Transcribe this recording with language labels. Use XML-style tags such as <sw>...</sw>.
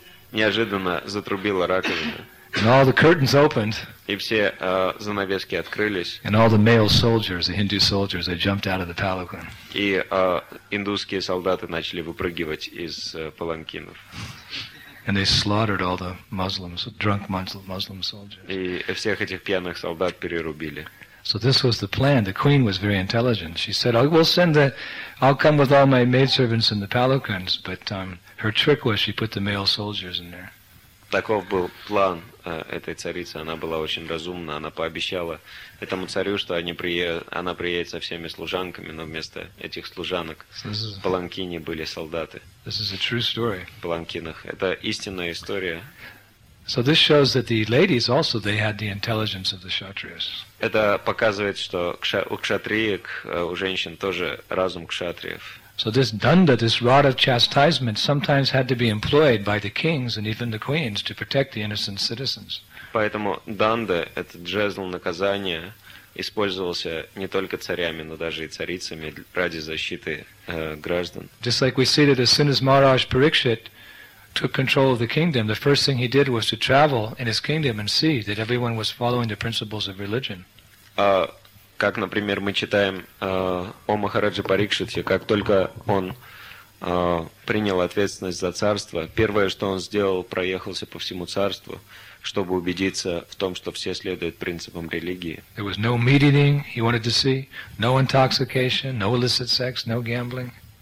<ru>Неожиданно затрубила раковина.</ru> <en>And all the curtains opened.</en> <ru>И все занавески открылись.</ru> <en>And all the male soldiers, the Hindu soldiers, they jumped out of the palanquin.</en> <ru>И индусские солдаты начали выпрыгивать из паланкинов.</ru> <en>And they slaughtered all the Muslims, drunk Muslim soldiers.</en> <ru>И всех этих пьяных солдат перерубили.</ru> <en>So this was the plan. The queen was very intelligent. She said, "I'll come with all my maidservants and the palanquins." But her trick was she put the male soldiers in there.</en> <ru>Таков был план этой царицы. Она была очень разумна. Она пообещала этому царю, что она приедет со всеми служанками, но вместо этих служанок в паланкине были солдаты.</ru> <en>This is a true story.</en> <ru>В паланкинах. Это истинная история.</ru> <en>So this shows that the ladies also they had the intelligence of the kshatriyas.</en> <ru>Это показывает, что у кшатриек, у женщин тоже разум кшатриев.</ru> <en>So this danda, this rod of chastisement, sometimes had to be employed by the kings and even the queens to protect the innocent citizens.</en> <ru>Поэтому данда, этот жезл наказания, использовался не только царями, но даже и царицами ради защиты граждан.</ru> <en>Just like we see that as soon as Maharaj Parikshit took control of the kingdom, the first thing he did was to travel in his kingdom and see that everyone was following the principles of religion.</en> <ru>Как, например, мы читаем о Махараджи Парикшите, как только он принял ответственность за царство, первое, что он сделал, проехался по всему царству, чтобы убедиться в том, что все следуют принципам религии.</ru> <en>There was no meat-eating he wanted to see, no intoxication, no illicit sex, no gambling.</en>